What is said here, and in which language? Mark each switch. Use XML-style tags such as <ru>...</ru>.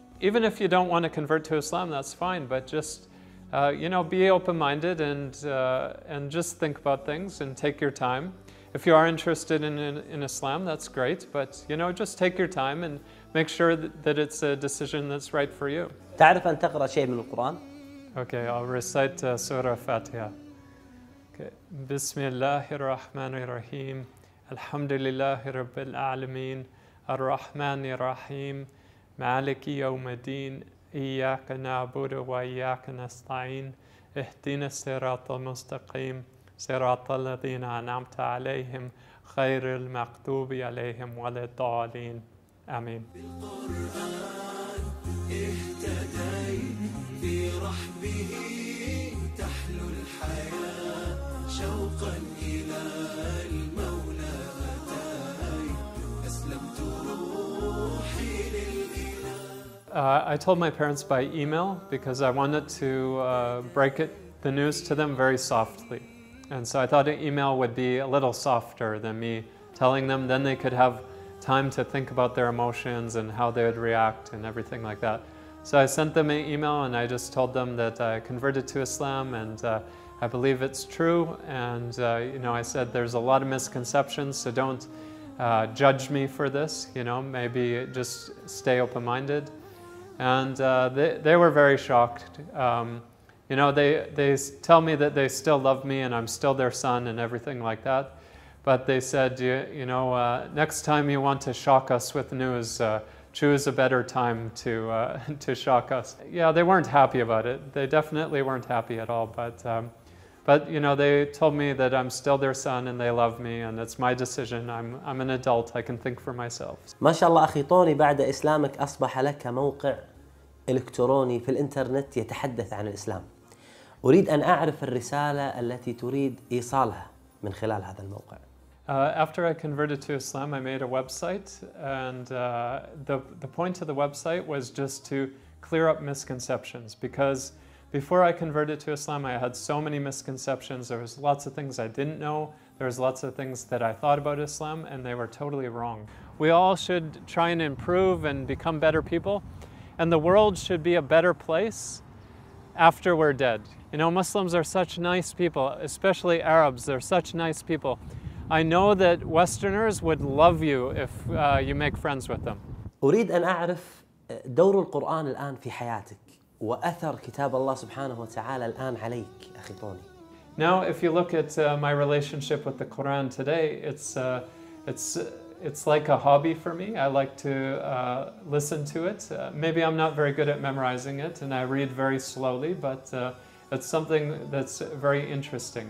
<en>Even if you don't want to convert to Islam, that's fine, but just, you know, be open-minded and just think about things and take your time. If you are interested in Islam, that's great, but, you know, just take your time and make sure that it's a decision that's right for you.</en> <ar>تعرف أن تقرأ شيء من القرآن؟</ar> <en>Okay, I'll recite Surah Fatiha.</en> <ar>بسم الله الرحمن الرحيم الحمد لله رب العالمين الرحمن الرحيم مالك يوم الدين إياك نعبد وإياك نستعين اهدنا الصراط المستقيم صراط الذين أنعمت عليهم خير المغضوب عليهم ولا الضالين آمين. بالقرآن اهتديت في رحبه تحلو الحياة شوقا إلى المولى أتيت أسلمت روحي للإله.</ar> <en>I told my parents by email because I wanted to break the news to them very softly. And so I thought an email would be a little softer than me telling them. Then they could have time to think about their emotions and how they would react and everything like that. So I sent them an email and I just told them that I converted to Islam and I believe it's true. And you know, I said there's a lot of misconceptions, so don't judge me for this. You know, maybe just stay open-minded. And they were very shocked. You know, they tell me that they still love me and I'm still their son and everything like that. But they said, you know, next time you want to shock us with news, choose a better time to shock us. Yeah, they weren't happy about it. They definitely weren't happy at all. But you know, they told me that I'm still their son and they love me and it's my decision. I'm an adult. I can think for myself.</en> <ar>ما شاء الله أخي طوني بعد إسلامك أصبح لك موقع إلكتروني في الإنترنت يتحدث عن الإسلام. أريد أن أعرف الرسالة التي تريد إيصالها من خلال هذا الموقع.</ar> <en>After I converted to Islam, I made a website, and the point of the website was just to clear up misconceptions. Because before I converted to Islam, I had so many misconceptions. There was lots of things I didn't know. There was lots of things that I thought about Islam, and they were totally wrong. We all should try and improve and become better people, and the world should be a better place after we're dead. You know, Muslims are such nice people, especially Arabs, they're such nice people. I know that Westerners would love you if you make friends with them.</en> <ar>أريد أن أعرف دور القرآن الآن في حياتك وأثر كتاب الله سبحانه وتعالى الآن عليك أخي طوني.</ar> <en>Now, if you look at my relationship with the Quran today, it's like a hobby for me. I like to listen to it. Maybe I'm not very good at memorizing it and I read very slowly, but it's something that's very interesting.</en>